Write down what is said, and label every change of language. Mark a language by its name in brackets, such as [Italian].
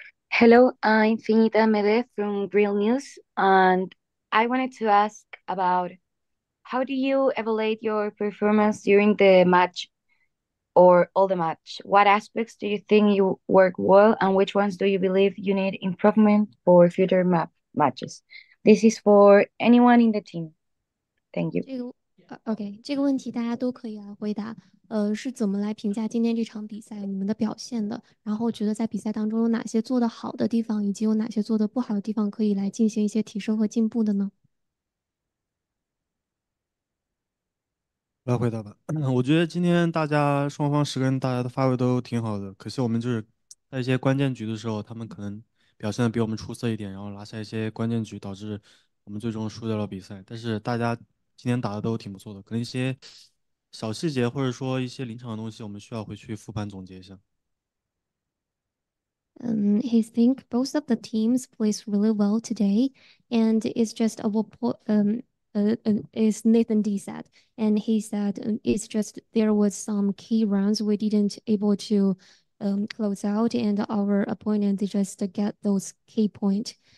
[English] Hello, I'm Finita Medeh from Real News, and I wanted to ask about how do you evaluate your performance during the match or all the match? What aspects do you think you work well, and which ones do you believe you need improvement for future matches? This is for anyone in the team. Thank you. [Chinese] 这个问题大家都可以来回答。是怎么来评价今天这场比赛你们的表现的？然后觉得在比赛当中有哪些做得好的地方，以及有哪些做得不好的地方，可以来进行一些提升和进步的呢？来回答吧，我觉得今天大家双方10个人，大家的发挥都挺好的。可惜我们就是在一些关键局的时候，他们可能表现的比我们出色一点，然后拿下一些关键局，导致我们最终输掉了比赛。但是大家今天打的都挺不错的，可能一些小细节或者说一些临场的东西，我们需要回去复盘总结一下。 [English] He think both of the teams plays really well today, and it's just our is Nathan D said, and he said it's just there was some key runs we didn't able to close out, and our opponent they just get those key point.